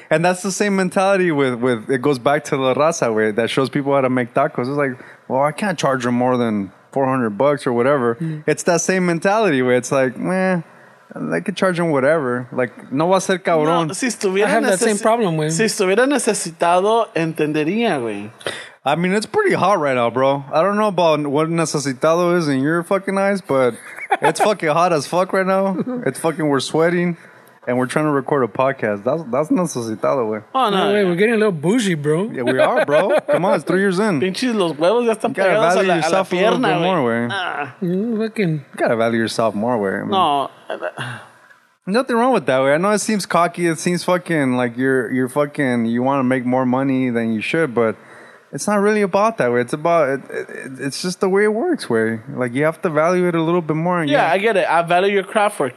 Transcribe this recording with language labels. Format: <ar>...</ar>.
<en>And that's the same mentality with it goes back to La Raza, where that shows people how to make tacos. It's like, well, I can't charge them more than $400 or whatever. Mm. It's that same mentality where it's like, meh. They could charge him whatever.</en> <es>Like, no va a ser cabrón. No, si</es> <en>I have that same problem, güey.</en> <es>Si estuviera necesitado, entendería, güey.</es> <en>I mean, it's pretty hot right now, bro. I don't know about what necesitado is in your fucking eyes, but it's fucking hot as fuck right now. It's fucking, we're sweating, and we're trying to record a podcast. That's necesitado, güey. Oh, no. Wait, we're getting a little bougie, bro. Yeah, we are, bro. Come on, it's 3 years in.</en> <es>Pinches los huevos ya están pegados a la pierna, güey.</es> <en>You gotta value yourself a little bit more, güey. You gotta value yourself more, güey. No. Nothing wrong with that, way. I know it seems cocky. It seems fucking like you're fucking, you want to make more money than you should, but it's not really about that, way. It's about, it's just the way it works, way. Like, you have to value it a little bit more. Yeah, I get it. I value your craft work.</en>